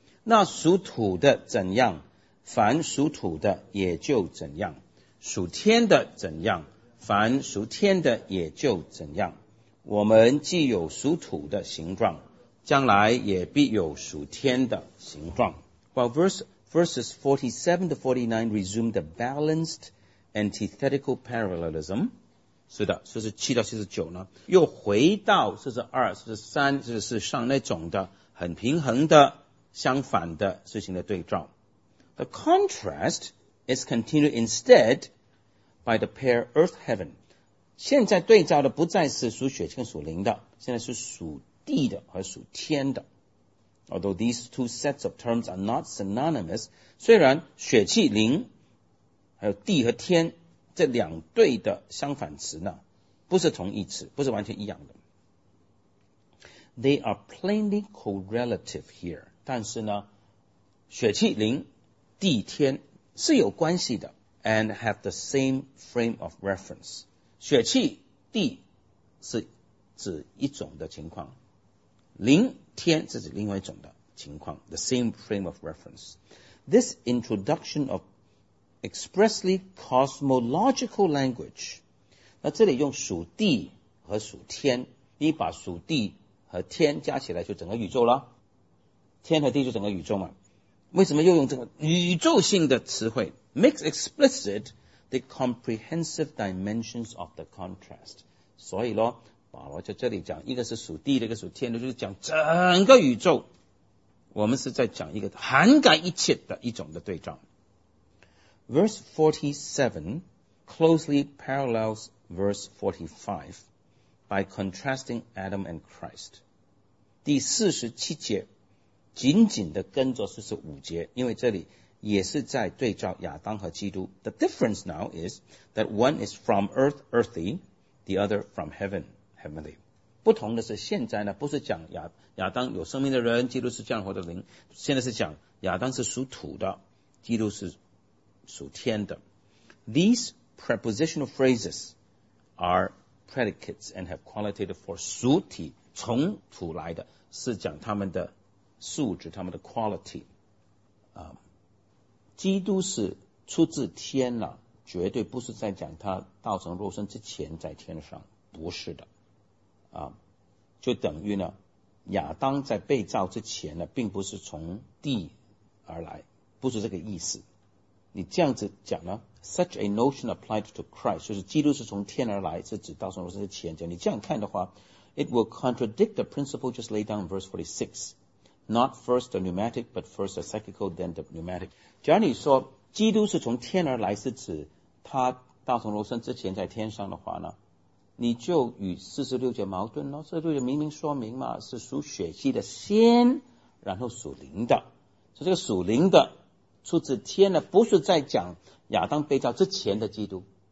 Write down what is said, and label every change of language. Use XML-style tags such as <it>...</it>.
<zh>那属土的怎样，凡属土的也就怎样；属天的怎样，凡属天的也就怎样。我们既有属土的形状，将来也必有属天的形状。</zh> <en>Well, verses 47 to 49 resume the balanced antithetical parallelism.</en> <zh>是的，四十七到四十九呢，又回到四十二、四十三、四十四上那种的很平衡的相反的事情的对照。</zh> <en>The contrast is continued instead by the pair earth heaven.</en> <zh>现在对照的不再是属血气、属灵的，现在是属地的和属天的。</zh> <en>Although these two sets of terms are not synonymous,</en> <zh>虽然血气、灵还有地和天。这两对的相反词呢，不是同义词，不是完全一样的。</zh> <en>They are plainly correlative here.</en> <zh>但是呢，血气灵、地天是有关系的</zh> <en>，and have the same frame of reference.</en> <zh>血气地是指一种的情况，灵天是指另外一种的情况 ，</zh> <en>the same frame of reference. This introduction ofExpressly cosmological language.</en> <zh>那这里用属地和属天，你把属地和天加起来就整个宇宙了。天和地就整个宇宙嘛。为什么又用这个宇宙性的词汇</zh> <en>？Makes explicit the comprehensive dimensions of the contrast.</en> <zh>所以咯，保罗在这里讲，一个是属地，一个属天的，就是讲整个宇宙。我们是在讲一个涵盖一切的一种的对照。</zh> <en>Verse 47 closely parallels verse 45 by contrasting Adam and Christ.</en> <zh>第四十七节紧紧地跟着四十五节，因为这里也是在对照亚当和基督。</zh> <en>The difference now is that one is from earth, earthy, the other from heaven, heavenly.</en> <zh>不同的是现在呢，不是讲 亚当有生命的人，基督是降活的灵，现在是讲亚当是属土的，基督是属天的。</zh> <en>These prepositional phrases are predicates and have qualitative force.</en> <zh>属体从土来的是讲他们的素质，他们的 quality、基督是出自天了，绝对不是在讲他道成肉身之前在天上，不是的、就等于呢，亚当在被造之前呢，并不是从地而来，不是这个意思。你这样子讲呢</zh> <en>？Such a notion applied to Christ，</en> <zh>就是基督是从天而来，是指道成肉身的前者。你这样看的话</zh> <en>，it will contradict the principle just laid down in verse 46， not first the pneumatic， but first the psychical， then the pneumatic。</en> <zh>假如你说基督是从天而来，是指他道成肉身之前在天上的话呢，你就与四十六节矛盾了。四十六节明明说明嘛，是属血气的先，然后属灵的，所以这个属灵的。出自天的不是在讲亚当被造之前的基督。</zh>